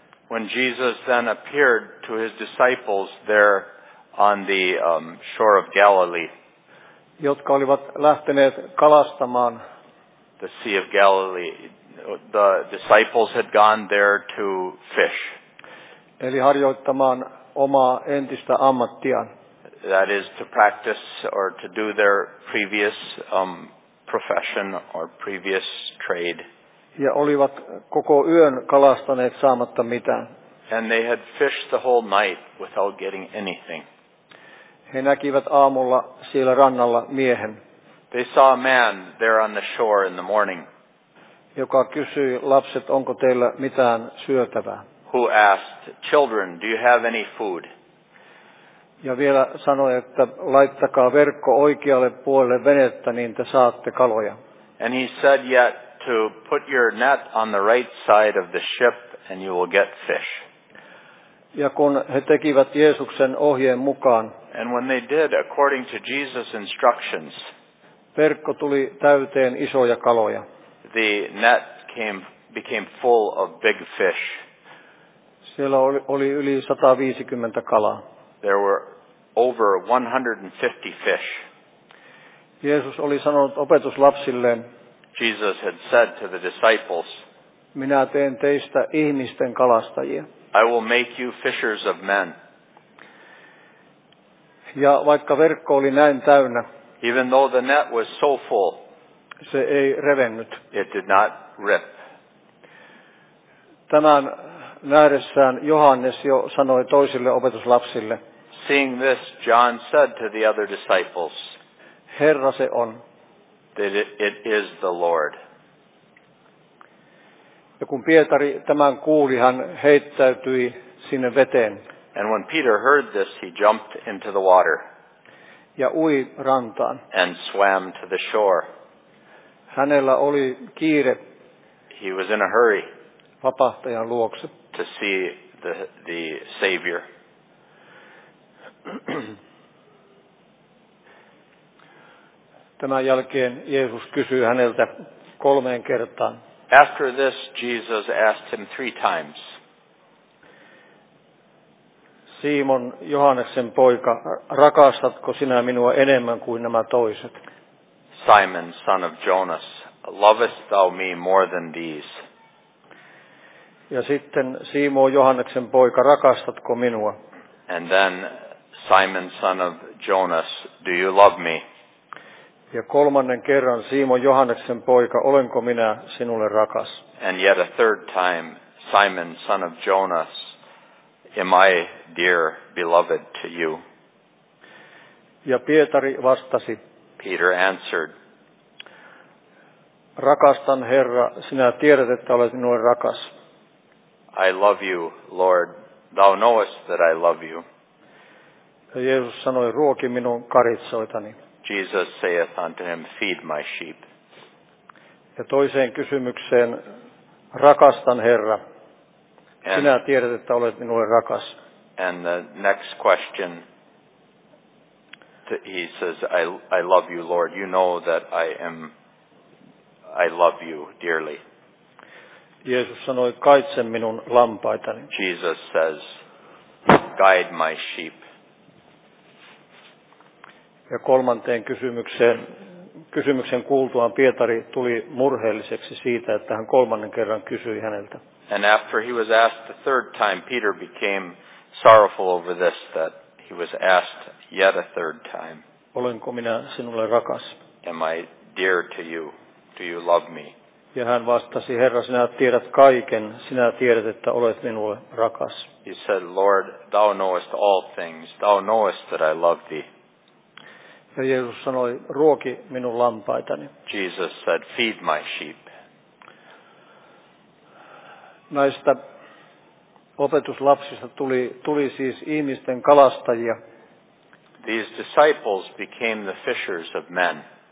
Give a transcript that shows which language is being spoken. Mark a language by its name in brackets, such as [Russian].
[English] When Jesus then appeared to his disciples there on the shore of Galilee. [Finnish] Jotka olivat lähteneet kalastamaan. [English] The Sea of Galilee. The disciples had gone there to fish. [Finnish] Eli harjoittamaan omaa entistä ammattiaan. [English] That is to practice or to do their previous profession or previous trade. [Finnish] Ja olivat koko yön kalastaneet saamatta mitään. [English] And they had fished the whole night without getting anything. [Finnish] He näkivät aamulla siellä rannalla miehen. [English] They saw a man there on the shore in the morning. [Finnish] Joka kysyi, lapset, onko teillä mitään syötävää? [English] Who asked, children, do you have any food? [Finnish] Ja vielä sanoi, että laittakaa verkko oikealle puolelle venettä, niin te saatte kaloja. [English] And he said yet to put your net on the right side of the ship and you will get fish. [Finnish] Ja kun he tekivät Jeesuksen ohjeen mukaan, [English] and when they did according to Jesus' instructions, [Finnish] verkko tuli täyteen isoja kaloja. [English] The net became full of big fish. [Finnish] Siellä oli yli 150 kalaa. [English] There were over 150 fish. [Finnish] Jeesus oli sanonut opetuslapsilleen, [English] Jesus had said to the disciples, [Finnish] minä teen teistä ihmisten kalastajia. [English] I will make you fishers of men. [Finnish] Ja vaikka verkko oli näin täynnä, [English] even though the net was so full, [Finnish] se ei revennyt. [English] It did not rip. [Finnish] Tämän nähdessään Johannes jo sanoi toisille opetuslapsille, [English] seeing this, John said to the other disciples, [Finnish] Herra se on. [English] That it is the Lord. [Finnish] Ja kun Pietari tämän kuuli, hän heittäytyi sinne veteen. [English] And when Peter heard this, he jumped into the water. [Finnish] Ja ui rantaan. [English] And swam to the shore. [Finnish] Hänellä oli kiire. [English] He was in a hurry. [Finnish] Vapahtajan luokse. [English] To see the Savior. [Finnish] Tämän jälkeen Jeesus kysyi häneltä kolmeen kertaan. [English] After this, Jesus asked him three times. [Finnish] Simon, Johanneksen poika, rakastatko sinä minua enemmän kuin nämä toiset? [English] Simon, son of Jonas, lovest thou me more than these? [Finnish] Ja sitten Simon, Johanneksen poika, rakastatko minua? [English] And then Simon, son of Jonas, do you love me? [Finnish] Ja kolmannen kerran Simon, Johanneksen poika, olenko minä sinulle rakas? [English] And yet a third time, Simon, son of Jonas, am I dear, beloved to you? [Finnish] Ja Pietari vastasi. [English] Peter answered. [Finnish] Rakastan Herra, sinä tiedät, että olet minulle rakas. [English] I love you, Lord. Thou knowest that I love you. [Finnish] Ja Jeesus sanoi, ruoki minun karitsoitani. [English] Jesus saith unto him, feed my sheep. [Finnish] Ja toiseen kysymykseen, rakastan Herra. And sinä tiedät, että olet minulle rakas. [English] And the next question, he says, I love you, Lord. You know that I love you dearly. [Finnish] Jeesus sanoi, kaitse minun lampaitani. [English] Jesus says, guide my sheep. [Finnish] Ja kolmanteen kysymyksen kuultuaan Pietari tuli murheelliseksi siitä, että hän kolmannen kerran kysyi häneltä. [English] And after he was asked the third time, Peter became sorrowful over this, that he was asked yet a third time. [Finnish] Olenko minä sinulle rakas? [English] Am I dear to you? Do you love me? [Finnish] Ja hän vastasi, Herra, sinä tiedät kaiken, sinä tiedät, että olet minulle rakas. [English] He said, Lord, thou knowest all things, thou knowest that I love thee. [Finnish] Ja Jeesus sanoi, ruoki minun lampaitani. [English] Jesus said, feed my sheep. [Finnish] Näistä opetuslapsista tuli siis ihmisten kalastajia. [English] These disciples became the fishers of men.